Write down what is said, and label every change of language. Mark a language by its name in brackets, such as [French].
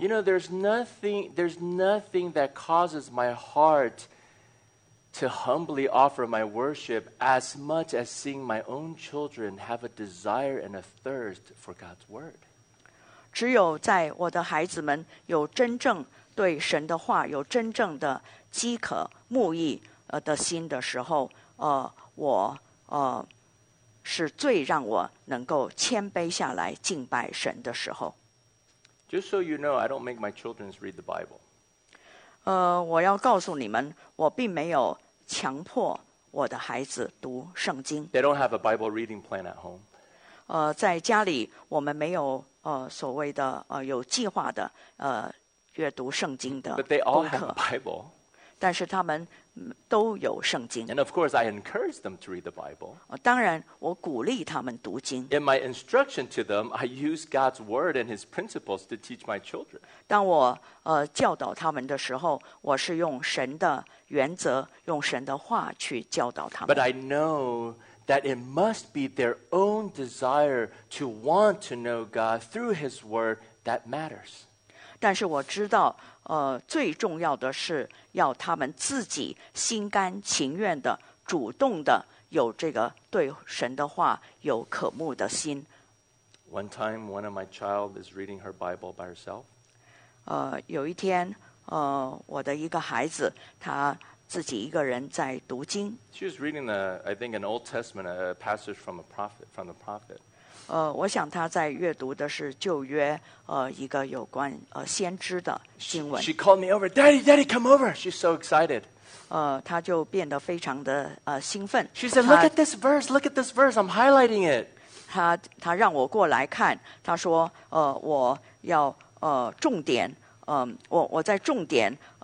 [English] You know, there's nothing that causes my heart to humbly offer my worship as much as seeing my own children have a desire and a thirst for God's word. [Chinese] 只有在我的孩子们有真正对神的话有真正的饥渴慕义的心的时候我是最让我能够谦卑下来敬拜神的时候。 [English] Just so you know, I don't make my children read the Bible. [Chinese] 我要告诉你们，我并没有强迫我的孩子读圣经。 [English] They don't have a Bible reading plan at home. [Chinese] 在家里我们没有所谓的有计划的阅读圣经的功课。 [English] But they all have a Bible. [Chinese] 但是他们都有圣经。 [English] And of course, I encourage them to read the Bible. [Chinese] 当然，我鼓励他们读经。 [English] In my instruction to them, I use God's word and His principles to teach my children. [Chinese] 当我教导他们的时候，我是用神的原则，用神的话去教导他们。 [English] But I know that it must be their own desire to want to know God through His word that matters. [Chinese] 但是我知道最重要的是要他们自己心甘情愿的主动的有这个对神的话有渴慕的心。 [English] One time, one of my child is reading her Bible by herself. [Chinese] 有一天我的一个孩子他自己一个人在读经。 [English] She was reading an Old Testament, a passage from the prophet. [Chinese] 我想他在阅读的是旧约一个有关先知的经文。 [English] She called me over, Daddy, Daddy, come over. She's so excited. [Chinese] 他就变得非常的兴奋。 [English] She said, Look at this verse, look at this verse, I'm highlighting it. [Chinese] 他让我过来看，他说我要重点我在重点